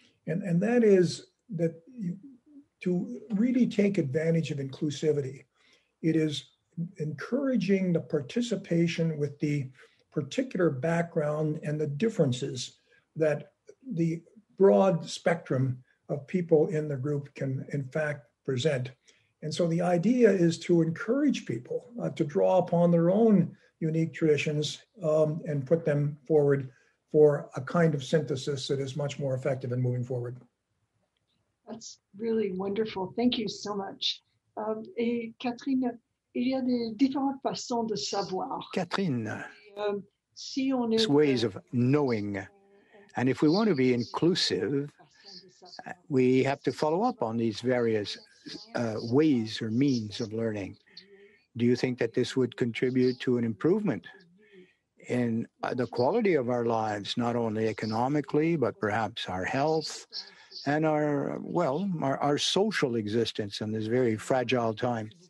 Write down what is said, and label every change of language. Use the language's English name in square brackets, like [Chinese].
[English] And that is that to really take advantage of inclusivity, it is encouraging the participation with the particular background and the differences that the broad spectrum of people in the group can in fact present. And so the idea is to encourage people to draw upon their own unique traditions and put them forward for a kind of synthesis that is much more effective in moving forward. That's really wonderful. Thank you so much. [French] Et Catherine, il y a des différentes façons de savoir. Catherine, si on est [English] ways of knowing. And if we want to be inclusive, we have to follow up on these various ways or means of learning. Do you think that this would contribute to an improvement in the quality of our lives, not only economically, but perhaps our health and our social existence in this very fragile time?